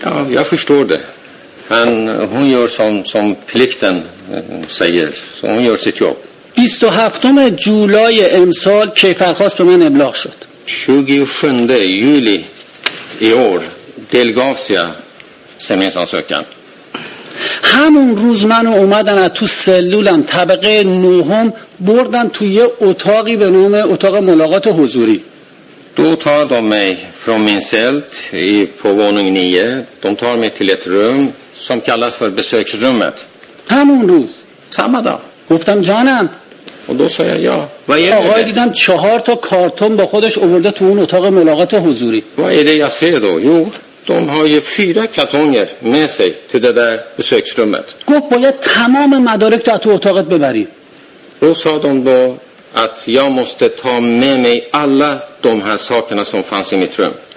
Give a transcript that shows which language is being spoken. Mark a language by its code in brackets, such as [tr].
[sv] Ja, jag förstår det. Hon gör som plikten säger. Så hon gör sitt jobb. [fa] 27 juli امسال کیفرخواست به من ابلاغ شد. [sv] 27 juli i år delgavs jag stämningsansökan. [fa] همون روز من اومدن از تو سلولم طبقه 9 بردن تو یه اتاقی به نام اتاق ملاقات حضوری. [sv] Då tar de mig från min cell på våning 9. De tar mig till ett rum som kallas för besöksrummet. [fa] همون روز [sv] samma dag. [fa] گفتم جانم. [sv] Och då sa jag ja. Vad är det? [fa] آقای دیدم 4 تا کارتون با خودش آورده تو اون اتاق ملاقات حضوری. [sv] Vad är det jag ser då? Jo. De har ju 4 kartonger med sig till det där besöksrummet. Gå på ett tamam madarik att du åtaget beberi. Då sa de då att jag måste ta med mig alla de här sakerna som fanns i mitt rum.